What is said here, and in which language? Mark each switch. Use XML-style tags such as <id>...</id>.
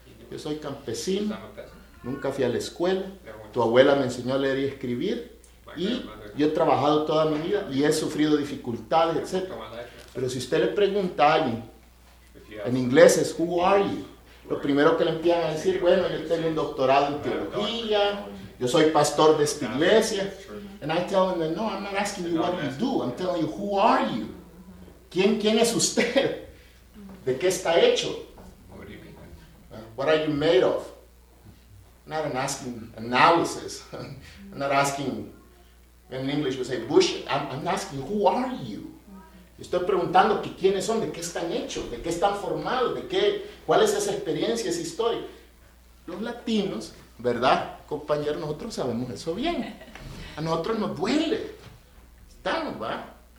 <es>Yo soy campesino, nunca fui a la escuela. Tu abuela me enseñó a leer y escribir y yo he trabajado toda mi vida y he sufrido dificultades, etc. Pero si usted le pregunta a alguien, en inglés es,</es> <en>who are you?</en> <es>Lo primero que le empiezan a decir, bueno, yo tengo un doctorado en teología, yo soy pastor de esta iglesia.</es> <en>And I tell them, no, I'm not asking you what you do, I'm telling you, who are you?</en> <es>¿Quién es usted? ¿De qué está hecho?</es> <en>What are you made of? I'm not asking analysis. I'm not asking, in English we say bush. I'm asking, who are you?</en> <es>Estoy preguntando que quiénes son, de qué están hechos, de qué están formados, de qué, cuál es esa experiencia, esa historia. Los latinos, ¿verdad, compañero? Nosotros sabemos eso bien. A nosotros nos duele. Estamos, ¿va?</es>